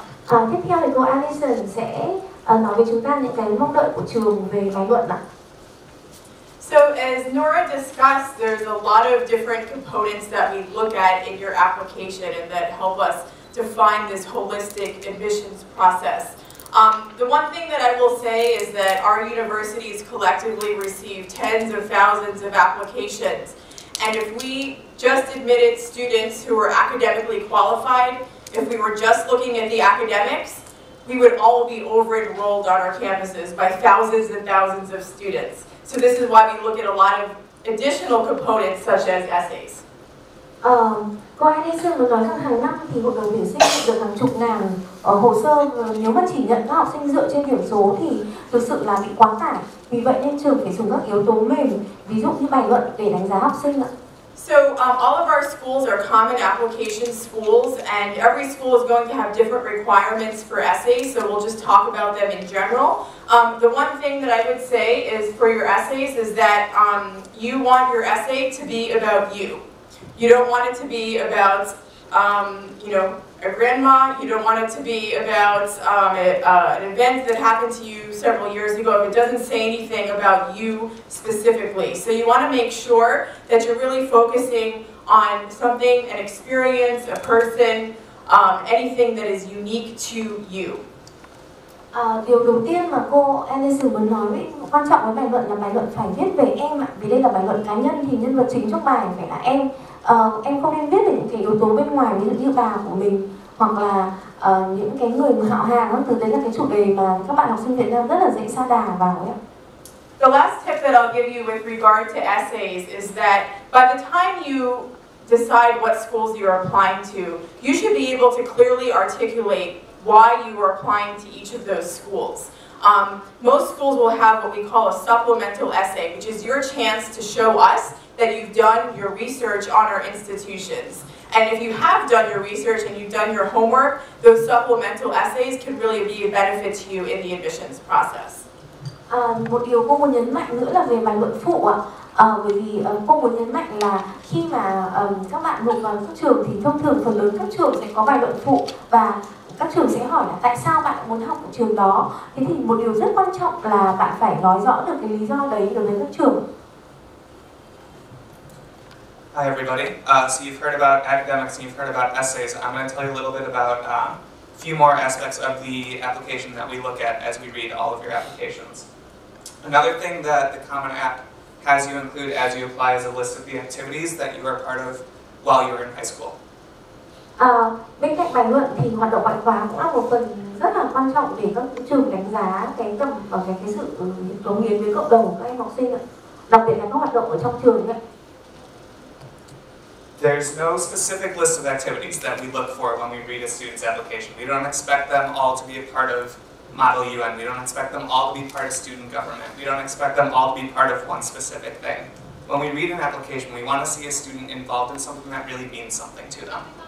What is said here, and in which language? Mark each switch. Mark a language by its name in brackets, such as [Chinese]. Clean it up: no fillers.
[Vietnamese] Tiếp theo thì cô Allison sẽ nói với chúng ta những cái mong đợi của trường về bài luận ạ. [English] So as Nora discussed, there's a lot of different components that we look at in your application and that help us define this holistic admissions process. The one thing that I will say is that our universities collectively receive tens of thousands of applications. And if we just admitted students who were academically qualified, if we were just looking at the academics, we would all be over-enrolled on our campuses by thousands and thousands of students. So this is why we look at a lot of additional components such as essays. [Vietnamese] Cô Allison vừa nói rằng hàng năm thì hội đồng tuyển sinh nhận được hàng chục ngàn hồ sơ. Nếu mà chỉ nhận các học sinh dựa trên điểm số thì thực sự là bị quá tải. Vì vậy nên trường phải dùng các yếu tố mềm, ví dụ như bài luận để đánh giá học sinh ạ. [English] So all of our schools are common application schools, and every school is going to have different requirements for essays, so we'll just talk about them in general. The one thing that I would say is for your essays is that you want your essay to be about you. You don't want it to be about, you know, a grandma. You don't want it to be about an event that happened to you several years ago. It doesn't say anything about you specifically. So you want to make sure that you're really focusing on something, an experience, a person, anything that is unique to you. [Vietnamese] Điều đầu tiên mà cô Allison muốn nói với, quan trọng với bài luận là bài luận phải viết về em ạ. Vì đây là bài luận cá nhân thì nhân vật chính trong bài phải là em. Em không nên viết về những cái yếu tố bên ngoài, ví dụ như bà của mình, hoặc là những cái người mà họ hàng đó, từ đấy là cái chủ đề mà các bạn học sinh Việt Nam rất là dễ sa đà vào ấy. [English] The last tip that I'll give you with regard to essays is that by the time you decide what schools you're applying to, you should be able to clearly articulate why you are applying to each of those schools. Most schools will have what we call a supplemental essay, which is your chance to show us that you've done your research on our institutions. And if you have done your research and you've done your homework, those supplemental essays can really be a benefit to you in the admissions process. [Vietnamese] Một điều cô muốn nhấn mạnh nữa là về bài luận phụ ạ. Bởi vì cô muốn nhấn mạnh là khi mà các bạn nộp vào các trường thì thông thường phần lớn các trường sẽ có bài luận phụ và các trường sẽ hỏi là tại sao bạn muốn học ở trường đó. Thế thì một điều rất quan trọng là bạn phải nói rõ được cái lý do đấy đối với các trường. [English] Hi everybody. So you've heard about academics and you've heard about essays. I'm going to tell you a little bit about few more aspects of the application that we look at as we read all of your applications. Another thing that the Common App has you include as you apply is a list of the activities that you are part of while you're in high school. [Vietnamese] Bên cạnh bài luận thì hoạt động ngoại khóa cũng là một phần rất là quan trọng để các trường đánh giá cái tầm và cái sự cống hiến với cộng đồng của các em học sinh ạ. Đặc biệt là các hoạt động ở trong trường ấy. [English] There's no specific list of activities that we look for when we read a student's application. We don't expect them all to be a part of Model UN. We don't expect them all to be part of student government. We don't expect them all to be part of one specific thing. When we read an application, we want to see a student involved in something that really means something to them.